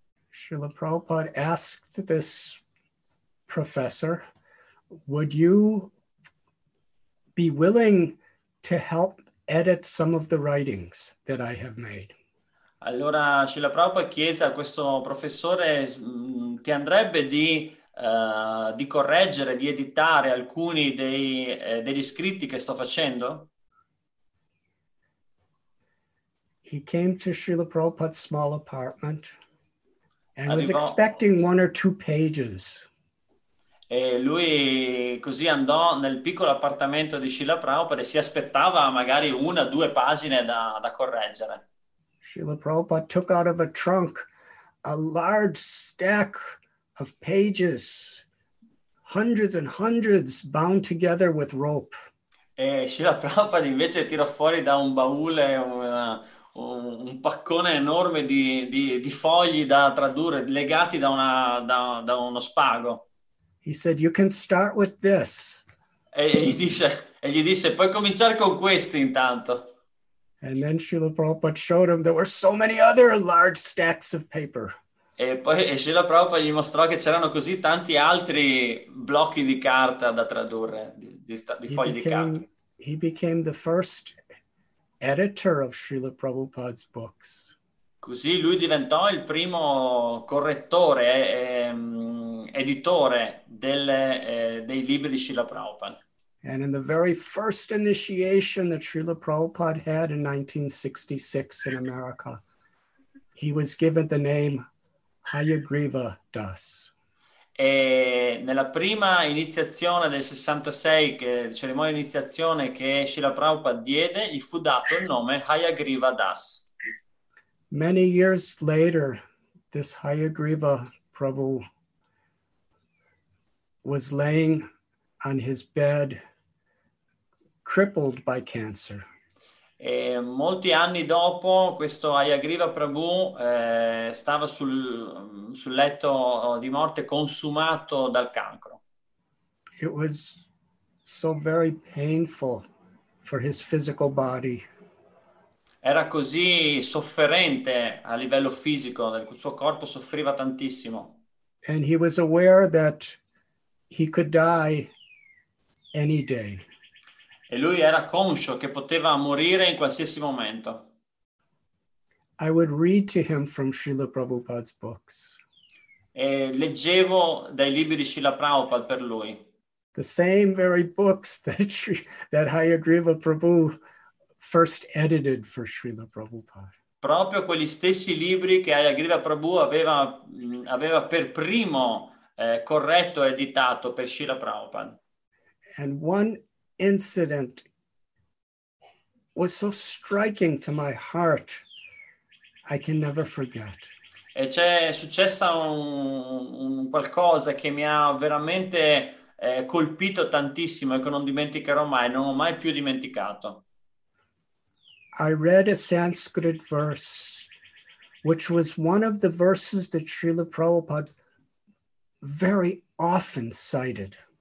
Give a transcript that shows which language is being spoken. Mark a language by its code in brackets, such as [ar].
[en] Srila Prabhupada asked this professor, "Would you be willing to help edit some of the writings that I have made?" [it] Allora Srila Prabhupada chiese a questo professore, "Ti andrebbe di correggere, di editare alcuni degli scritti che sto facendo?" [en] He came to Srila Prabhupada's small apartment and was expecting one or two pages. [it] E lui così andò nel piccolo appartamento di Srila Prabhupada e si aspettava magari una o due pagine da correggere. [en] Srila Prabhupada took out of a trunk a large stack of pages, hundreds and hundreds bound together with rope. [it] E Srila Prabhupada invece tirò fuori da un baule un paccone enorme di fogli da tradurre, legati da uno spago. [en] He said, "You can start with this." [it] E gli disse, "Puoi cominciare con questo intanto." [en] And then Srila Prabhupada showed him there were so many other large stacks of paper. [it] E poi Srila Prabhupada gli mostrò che c'erano così tanti altri blocchi di carta da tradurre, di fogli di carta. [en] He became the first editor of Srila Prabhupada's books. [it] Così lui diventò il primo correttore editore dei libri di Srila Prabhupada. [en] And in the very first initiation that Srila Prabhupada had in 1966 in America, he was given the name Hayagriva Das. [it] E nella prima iniziazione del 66, che cerimonia di iniziazione che Srila Prabhupada diede, gli fu dato il nome Hayagriva Das. [en] Many years later, this Hayagriva Prabhu was laying on his bed, crippled by cancer. [it] E molti anni dopo, questo Hayagriva Prabhu stava sul letto di morte, consumato dal cancro. [en] It was so very painful for his physical body. [it] Era così sofferente a livello fisico, il suo corpo soffriva tantissimo. [en] And he was aware that he could die any day. [it] E lui era conscio che poteva morire in qualsiasi momento. [en] I would read to him from Srila Prabhupada's books. [it] E leggevo dai libri di Srila Prabhupada per lui. [en] The same very books that Hayagriva Prabhu first edited for Srila Prabhupada. [it] Proprio quegli stessi libri che Hayagriva Prabhu aveva per primo corretto e editato per Srila Prabhupada. [en] And one incident was so striking to my heart, I can never forget. [it] E c'è successo un qualcosa che mi ha veramente colpito tantissimo e che non dimenticherò mai, non ho mai più dimenticato. [en] I read a Sanskrit verse, which was one of the verses that Srila Prabhupada very often cited.